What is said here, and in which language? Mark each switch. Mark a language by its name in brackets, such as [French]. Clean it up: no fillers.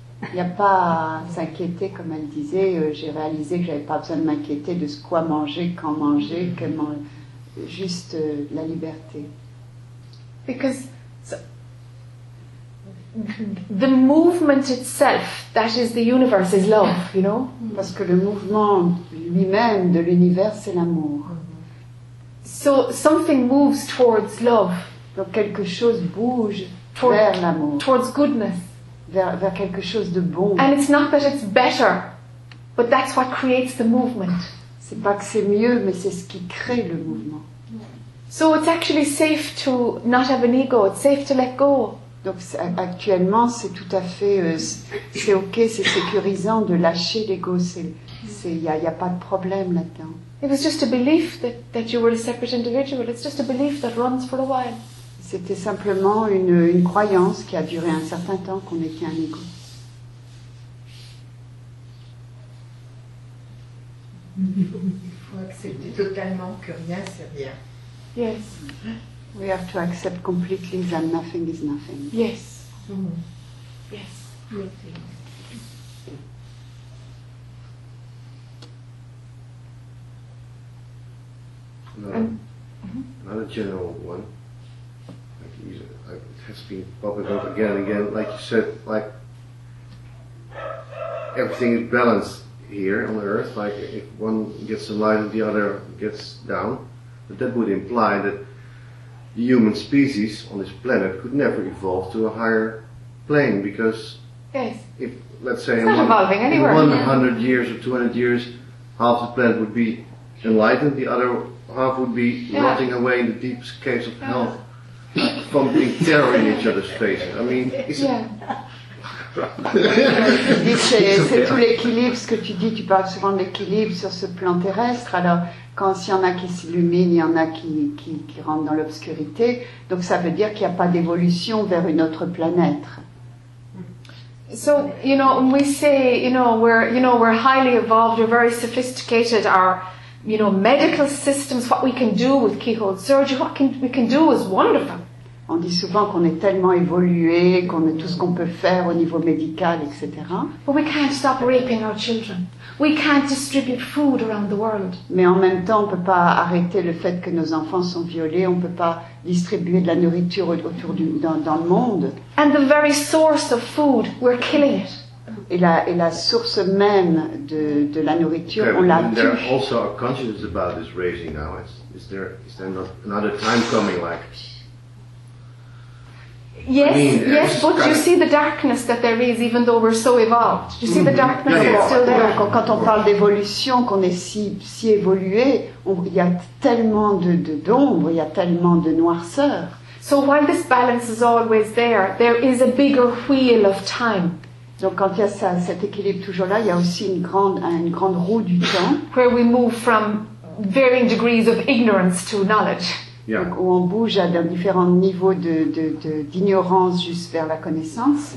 [French] Il n'y a pas à s'inquiéter, comme elle disait. J'ai réalisé que je n'avais pas besoin de m'inquiéter de ce quoi manger, quand manger, juste la liberté. [English] The movement itself, that is the universe, is love, you know? [French] Parce que le mouvement lui-même de l'univers, c'est l'amour. [English] So something moves towards love. [French] Donc quelque chose bouge vers l'amour. [English] Towards goodness. [French] Vers quelque chose de bon. [English] And it's not that it's better, but that's what creates the movement. [French] C'est pas que c'est mieux, mais c'est ce qui crée le mouvement. [English] So it's actually safe to not have an ego, it's safe to let go. [French] Donc actuellement, c'est tout à fait, c'est ok, c'est sécurisant de lâcher l'ego, il n'y a pas de problème là-dedans. [English] It was just a belief that you were a separate individual, it's just a belief that runs for a while. [French] C'était simplement une croyance qui a duré un certain temps qu'on était un ego. Il faut accepter totalement que rien, c'est rien. [English] Yes. We have to accept completely that nothing is nothing. Yes. Mm-hmm. Yes. Another general one. It has been popping up again and again. Like you said, like everything is balanced here on Earth. Like if one gets in line, the other gets down. But that would imply that the human species on this planet could never evolve to a higher plane because, yes, if let's say it's in 100 years or 200 years, half the planet would be enlightened, the other half would be rotting away in the deepest caves of hell, from being terror in each other's faces. I mean, is it? [French] dis que c'est tout l'équilibre, ce que tu dis, tu parles souvent de l'équilibre sur ce plan terrestre. Alors, quand s'il y en a qui s'illuminent, il y en a qui rentrent dans l'obscurité, donc ça veut dire qu'il n'y a pas d'évolution vers une autre planète. [English] So, you know, when we say, we're highly evolved, we're very sophisticated, our, you know, medical systems, what we can do with keyhole surgery, what can, we can do is wonderful. [French] On dit souvent qu'on est tellement évolué, qu'on est tout ce qu'on peut faire au niveau médical, etc. [English] But we can't stop raping our children. We can't distribute food around the world. [French] Mais en même temps, on ne peut pas arrêter le fait que nos enfants sont violés, on ne peut pas distribuer de la nourriture autour du, dans le monde. [English] And the very source of food, we're killing it. [French] Et la source même de la nourriture, okay, on la tue. [English] There are also a consciousness about this raising now. Is there not another time coming like... Yes, but you see the darkness that there is, even though we're so evolved. You see the darkness that's still there. [French] Quand on parle d'évolution, qu'on est si évolué, il y a tellement d'ombre, il y a tellement de noirceur. [English] So while this balance is always there, there is a bigger wheel of time. [French] Donc quand il y a cet équilibre toujours là, il y a aussi une grande roue du temps. [English] Where we move from varying degrees of ignorance to knowledge. Yeah. [French] Donc, où on bouge à différents niveaux d'ignorance juste vers la connaissance.